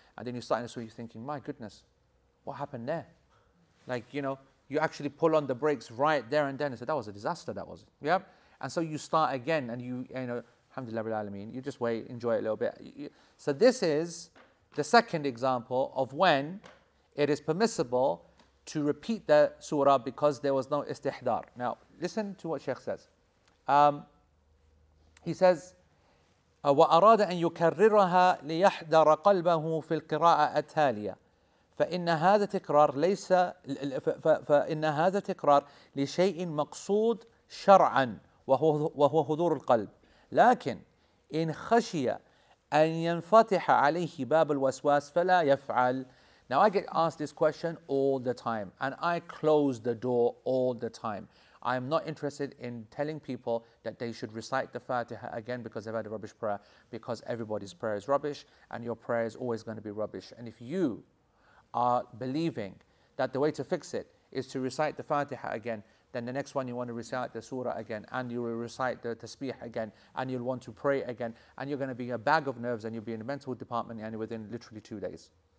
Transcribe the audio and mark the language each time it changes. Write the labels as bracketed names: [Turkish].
[English] And then you start in this way, you're thinking, my goodness, what happened there? Like, you know, you actually pull on the brakes right there and then, and say, that was a disaster, that was it. Yep. And so you start again, and you know, Alhamdulillah, you just wait, enjoy it a little bit. So this is the second example of when it is permissible to repeat the surah because there was no istihdar. Now, listen to what Shaykh says. He says, [Arabic] وَأَرَادَ أَن يُكَرِّرَهَا لِيَحْدَرَ قَلْبَهُ فِي الْقِرَاءَةَ التَّالِيَةَ فَإِنَّ هَذَا تِكْرَارْ لِشَيْءٍ مَقْصُود شَرْعًا وَهُوَ هُدُورُ الْقَلْبِ لكن إن خشية أن ينفتح عليه باب الوسواس فلا يفعل. [English] Now I get asked this question all the time, and I close the door all the time. I'm not interested in telling people that they should recite the Fatiha again because they've had a rubbish prayer, because everybody's prayer is rubbish and your prayer is always going to be rubbish. And if you are believing that the way to fix it is to recite the Fatiha again, then the next one you want to recite the surah again, and you will recite the tasbih again, and you'll want to pray again, and you're going to be a bag of nerves, and you'll be in the mental department and within literally 2 days.